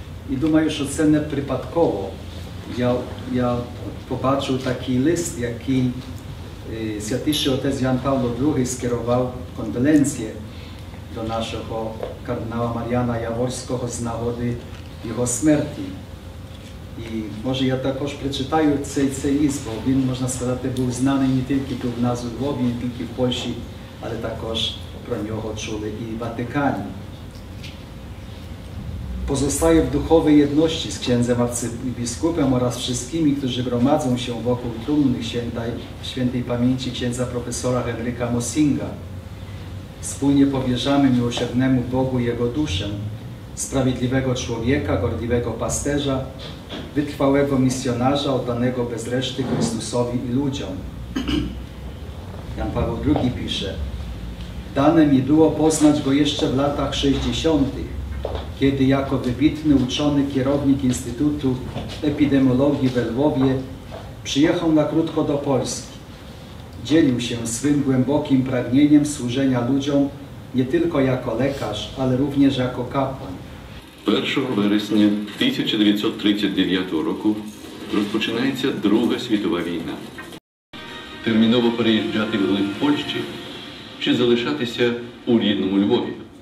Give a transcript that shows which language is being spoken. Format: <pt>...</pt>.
<uk>І думаю, що це не випадково. Я побачив такий лист, який Святіший Отець Іоанн Павло II скерував кондоленції до нашого кардинала Мар'яна Яворського з нагоди його смерті. І може я також прочитаю цей лист, бо він, можна сказати, був знаний не тільки тут в нас у Львові, не тільки в Польщі, але також про нього чули і в Ватикані. Позостаю в духовій єдності з</uk> <pl>księдзем арцибіскупом ораз всіхими, którzy gromadzą się wokół trumny świętej pamięci księdza profesora Henryka Mosinga. Wspólnie powierzamy miłosiernemu Bogu jego duszę, sprawiedliwego człowieka, gorliwego pasterza, wytrwałego misjonarza, oddanego bez reszty Chrystusowi i ludziom. Jan Paweł II pisze: dane mi było poznać go jeszcze w latach 60., kiedy jako wybitny uczony kierownik Instytutu Epidemiologii we Lwowie przyjechał na krótko do Polski. Dzielił się swym głębokim pragnieniem służenia ludziom nie tylko jako lekarz, ale również jako kapłan.</pl> <uk>1 wересня 1939 року розпочинається Друга світова війна. Терміново переїжджати в глиб Польщі чи залишатися у рідному Львові?</uk>